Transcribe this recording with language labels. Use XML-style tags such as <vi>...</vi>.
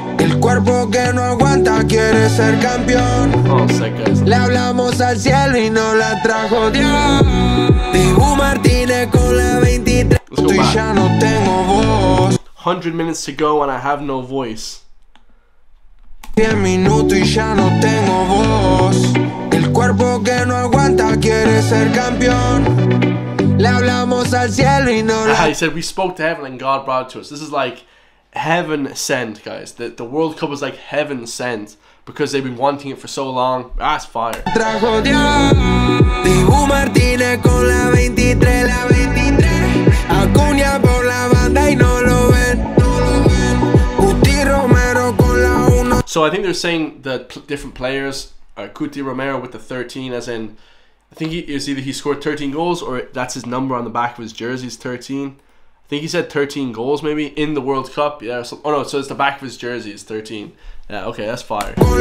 <es>El cuerpo que no aguanta quiere ser campeón.</es> <en>Oh, sick, guys.</en> <es>Le hablamos al cielo y no la trajo Dios. Dibu Martínez con la 23. Ya no tengo voz.</es> <en>100 minutes to go and I have no voice.</en> <es>100 minutos y ya no tengo voz. El cuerpo que no aguanta quiere ser campeón. Le hablamos al cielo y no la...</es> <en>He said we spoke to heaven and God brought it to us. This is like heaven sent, guys. The World Cup was like heaven sent because they've been wanting it for so long. That's fire.</en> <es>Trajo Dios, Dibu Martínez con la 23, la 23. Acuña por la banda y no lo ven, no lo ven. Cuti Romero con la 1.</es> <en>So I think they're saying that different players are Cuti Romero with the 13, as in, I think it's either he scored 13 goals or that's his number on the back of his jersey is 13. I think he said 13 goals maybe in the World Cup. Yeah. So, oh no, so it's the back of his jersey is 13. Yeah, okay, that's fire.</en>